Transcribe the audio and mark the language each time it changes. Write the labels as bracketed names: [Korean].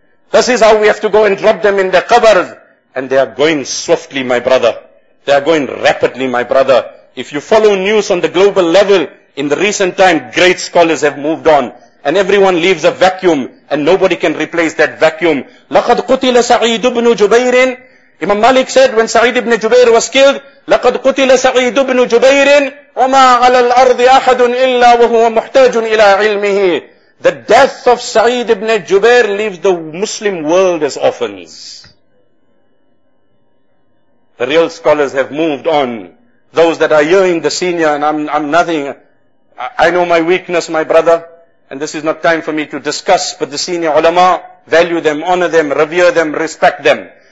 [English] This is how we have to go and drop them in the qabars. And they are going swiftly, my brother. They are going rapidly, my brother. If you follow news on the global level, in the recent time, great scholars have moved on. And everyone leaves a vacuum, and nobody can replace that vacuum. [Arabic] لَقَدْ قُتِلَ سَعِيدُ بْنُ جُبَيْرٍ. [English] Imam Malik said, when Sa'id ibn Jubair was killed, [Arabic] لَقَدْ قُتِلَ سَعِيدُ بْنُ جُبَيْرٍ وَمَا عَلَى الْأَرْضِ أَحَدٌ إِلَّا وَهُوَ مُحْتَاجٌ إِلَىٰ عِلْمِهِ. [English] The death of Sa'id ibn Jubair leaves the Muslim world as orphans. The real scholars have moved on. Those that are yearning the senior, and I'm nothing. I know my weakness, my brother. And this is not time for me to discuss, but the senior ulama, value them, honor them, revere them, respect them.